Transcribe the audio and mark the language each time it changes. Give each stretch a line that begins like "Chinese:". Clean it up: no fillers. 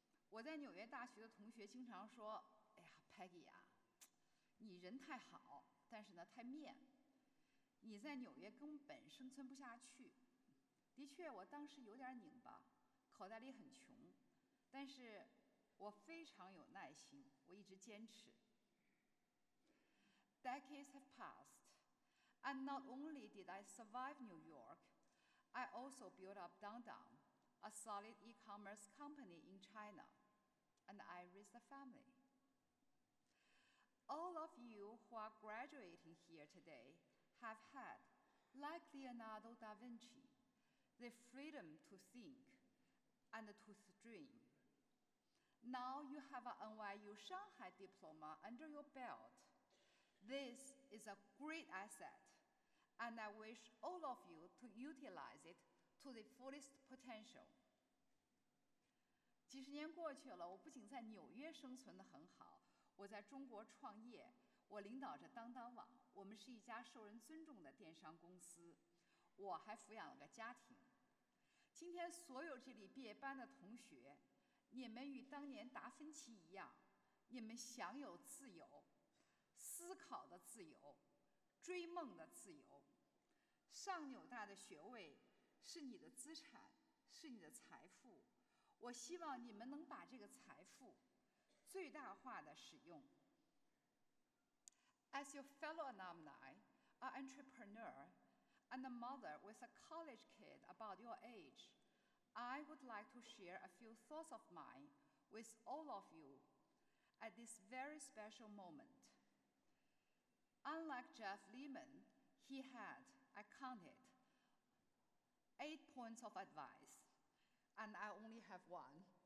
Chinese: 我在纽约大学的同学经常说，哎呀 Peggy 啊，你人太好，但是呢太面，你在纽约根本生存不下去。的确我当时有点拧巴，口袋里很穷，但是我非常有耐心，我一直坚持。
English: Decades have passed and not only did I survive New York, I also built up Dangdang, a solid e-commerce company in China, and I raised a family. All of you who are graduating here today have had, like Leonardo da Vinci, the freedom to think and to dream. Now you have a NYU Shanghai diploma under your belt. This is a great asset, and I wish all of you to utilize it to the fullest potential.
Chinese: 几十年过去了，我不仅在纽约生存得很好，我在中国创业，我领导着当当网，我们是一家受人尊重的电商公司，我还抚养了个家庭。今天所有这里毕业班的同学，你们与当年达芬奇一样，你们享有自由，思考的自由，追梦的自由。上纽大的学位是你的资产，是你的财富，我希望你们能把这个财富最大化的使用。
English: As your fellow alumni, an entrepreneur and a mother with a college kid about your age, I would like to share a few thoughts of mine with all of you at this very special momentUnlike Jeff Lehman, he had, I counted, 8 points of advice, and I only have one.